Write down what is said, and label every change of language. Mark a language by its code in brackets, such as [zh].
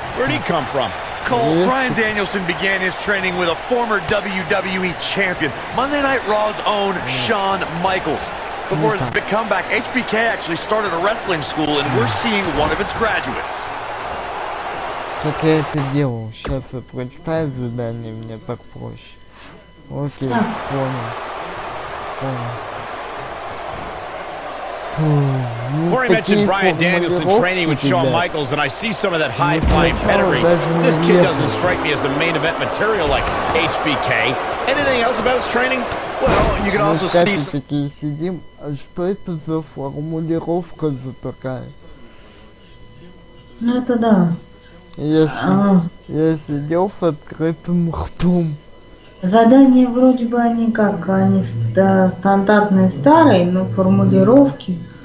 [en] Where'd he come from? Cole, Brian Danielson began his training with a former WWE champion, Monday Night Raw's own Shawn Michaels. Before his big comeback, HBK actually started a wrestling school, and we're seeing one of its graduates. [ru] Как я это делал? Сейчас я прочитаю задание, мне так проще. Окей, понял. [en] Corey mentioned Brian Danielson training with Shawn Michaels, and I see some of that high-flying pedigree. This kid doesn't strike me as the main event material like HBK. Anything else about his training? Well, you can also see some... [ru] А что это за формулировка за такая? Ну, это да. Я сидел с открытым ртом. Задания вроде бы они как, они стандартные, старые, но формулировки...